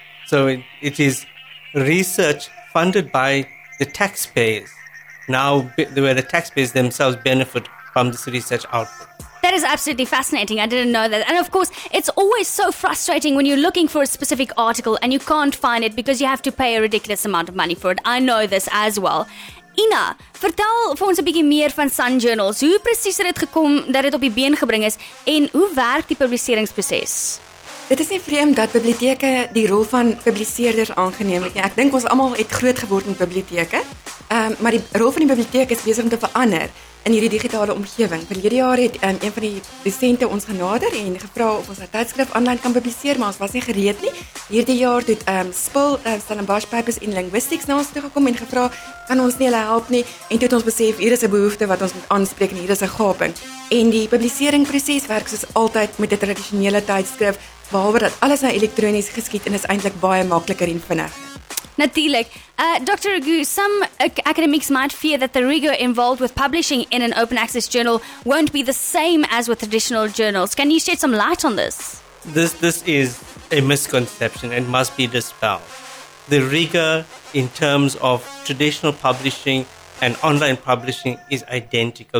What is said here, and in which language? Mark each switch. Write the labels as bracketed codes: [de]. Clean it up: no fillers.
[en] So it is research funded by the taxpayers, now where the taxpayers themselves benefit from this research output. That is absolutely fascinating. I didn't know that. And of course, it's always so frustrating when you're looking for a specific article and you can't find it because you have to pay a ridiculous amount of money for it. I know this as well. [af] Ina, vertel vir ons 'n bietjie meer van Sun Journals. Hoe presies het dit gekom dat dit op die been gebring is en hoe werk die publiseringsproses? Dit is nie vreemd dat biblioteke die rol van publiseerders aangeneem het nie. Ek dink ons almal het groot geword in biblioteke. Maar die rol van die biblioteek is besig om te verander in hierdie digitale omgewing. Verlede jaar het een van die dosente ons genader en gevra of ons 'n tydskrif online kan publiseer, maar ons was nie gereed nie. Hierdie jaar het Spil, Stellenbosch Papers in Linguistics na ons toe gekom en gevra, kan ons nie hulle help nie? En toe het ons besef, hier is 'n behoefte wat ons moet aanspreek en hier is 'n gaping. En die publiseringproses werk soos altyd met 'n traditionele tydskrif, behalwe dat alles nou elektronies geskied en is eintlik baie makliker en vinnig. Natuurlijk. Dr. [en] Rugu, some academics might fear that the rigor involved with publishing in an open access journal won't be the same as with traditional journals. Can you shed some light on this? This is a misconception and must be dispelled. The rigor in terms of traditional publishing and online publishing is identical.